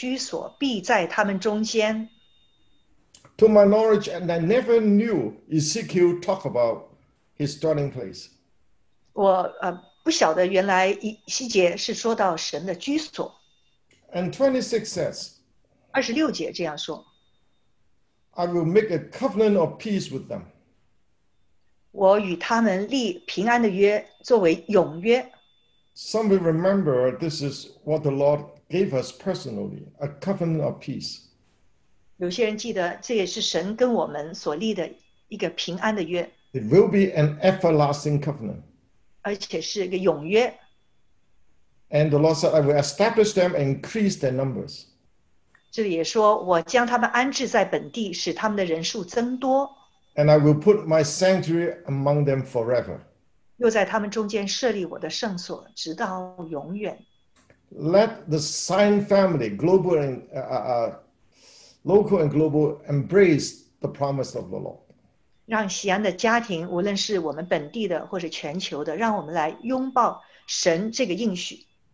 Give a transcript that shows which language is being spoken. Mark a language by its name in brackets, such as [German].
[Chinese] 一起说，我的居所必在他们中间。 [English] To my knowledge, and I never knew Ezekiel talk about his dwelling place. [Chinese] 我不晓得原来西结是说到神的居所。 [English] And 26 says, [Chinese] 26节这样说, [English] I will make a covenant of peace with them. [Chinese] 我与他们立平安的约作为永约。 [English] Some will remember this is what the Lord gave us personally, a covenant of peace. [Chinese] 有些人记得这也是神跟我们所立的一个平安的约。 [English] It will be an everlasting covenant. [Chinese] 而且是一个永约。 [English] And the Lord said, I will establish them and increase their numbers. [Chinese] 这里也说我将他们安置在本地使他们的人数增多。 [English] And I will put my sanctuary among them forever. [Chinese] 又在他们中间设立我的圣所直到永远。 [English] Let the Zion family, global and local and global, embrace the promise of the Lord. [Chinese] 让锡安的家庭，无论是我们本地的或者全球的，让我们来拥抱神这个应许。